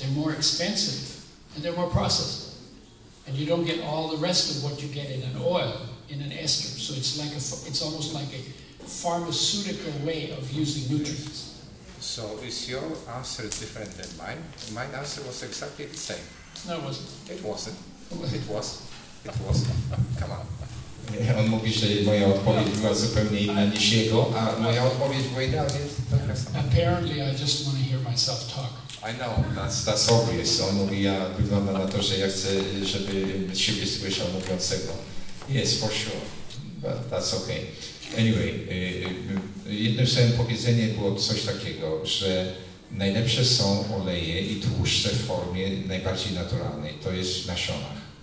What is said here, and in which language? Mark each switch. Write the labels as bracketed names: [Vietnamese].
[English] They're more expensive and they're more processed. And you don't get all the rest of what you get in an oil, in an ester. So it's almost like a pharmaceutical way of using nutrients. So is your answer different than mine? My answer was exactly the same. No, it wasn't. It wasn't. It was. It was. Come on. [Polish] On mówi, że moja odpowiedź była zupełnie inna niż jego, a moja odpowiedź była idealnie taka sama. [English] Apparently I just want to hear myself talk. I know, that's obvious. [Polish] On mówi, ja wyglądam na to, że ja chcę, żeby siebie słyszał mówiącego. [English] Yes, for sure. But that's okay. [Polish] Anyway, jednym słowem powiedzenie było coś takiego, że najlepsze są oleje i tłuszcze w formie najbardziej naturalnej, to jest w nasionach.